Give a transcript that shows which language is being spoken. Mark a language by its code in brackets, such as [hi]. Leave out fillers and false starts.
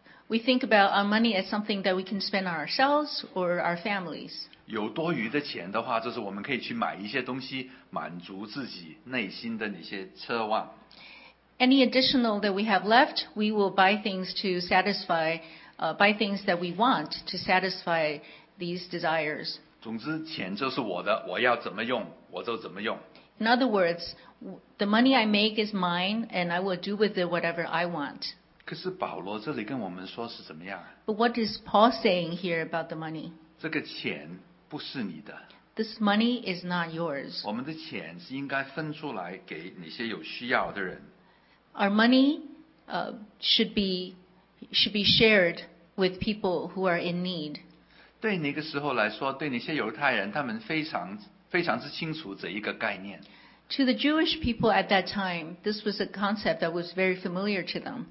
[en] We think about our money as something that we can spend on ourselves or our families. [zh] 有多余的钱的话，就是我们可以去买一些东西，满足自己内心的那些奢望。 [en] Any additional that we have left, we will buy things to satisfy. Buy things that we want to satisfy these desires. [zh] 总之，钱就是我的，我要怎么用我就怎么用。 [en] In other words, the money I make is mine, and I will do with it whatever I want. [zh] 可是保罗这里跟我们说是怎么样 [en] ？But what is Paul saying here about the money? [zh] 这个钱不是你的。 [en] This money is not yours. [zh] 我们的钱是应该分出来给那些有需要的人。 [en] Our money, should be shared with people who are in need. [zh] 对那个时候来说，对那些犹太人，他们非常非常之清楚这一个概念。 [en] To the Jewish people at that time, this was a concept that was very familiar to them.